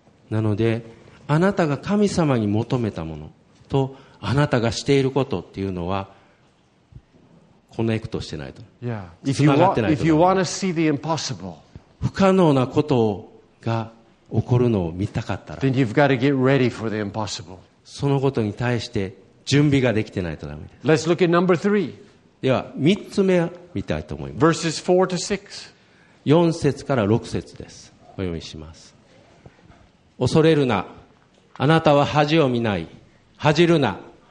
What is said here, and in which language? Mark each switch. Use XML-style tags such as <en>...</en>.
<ja>なので、あなたが神様に求めたものとあなたがしていることっていうのはコネクトしてないと。</ja> <en>Yeah. If you want to see the impossible,</en> <ja>不可能なことをが起こるのを見たかったら、</ja> <en>Then you've got to get ready for the impossible.</en> <ja>そのことに対して準備ができてないとダメです。</ja> <en>Let's look at number three.</en> <ja>では3つ目を見たいと思います。</ja> <en>Verses 4 to 6.</en> <ja>4節から6節です。お読みします。恐れるな。あなたは恥を見ない。恥じるな。</ja>